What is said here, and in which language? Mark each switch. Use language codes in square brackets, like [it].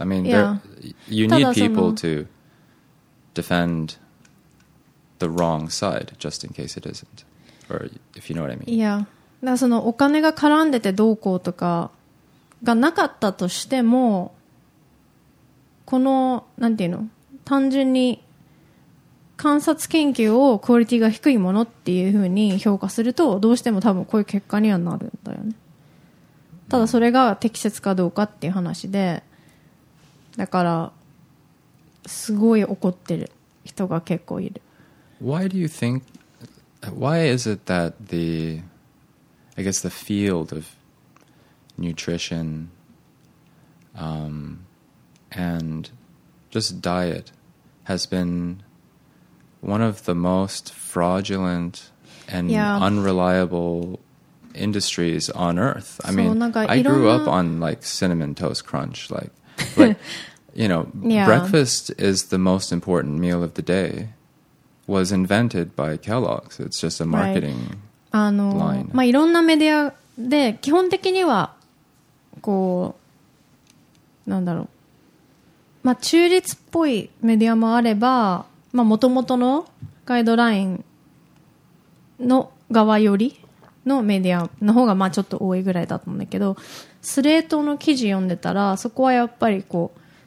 [en] I mean, you need people to defend the wrong side just in case it isn't, or if you know what I mean. [ja] いやだからそのお金が絡んでてどうこうとかがなかったとしても、このなんていうの、単純に観察研究をクオリティが低いものっていうふうに評価すると、どうしても多分こういう結果にはなるんだよね。ただそれが適切かどうかっていう話で、だからすごい怒ってる人が結構いる。 [en] Why do you think, why is it that the, I guess the field ofNutrition, and just diet has been one of the most fraudulent and unreliable industries on earth. I mean, I grew up on like Cinnamon Toast Crunch, like you know, breakfast is the most important meal of the day, was invented by Kellogg's. It's just a marketing line. [ja] まあいろんなメディアで基本的にはこうなんだろう、まあ、中立っぽいメディアもあれば、まあ、元々のガイドラインの側よりのメディアの方がまあちょっと多いぐらいだったんだけど、スレートの記事読んでたら、そこはやっぱりこう、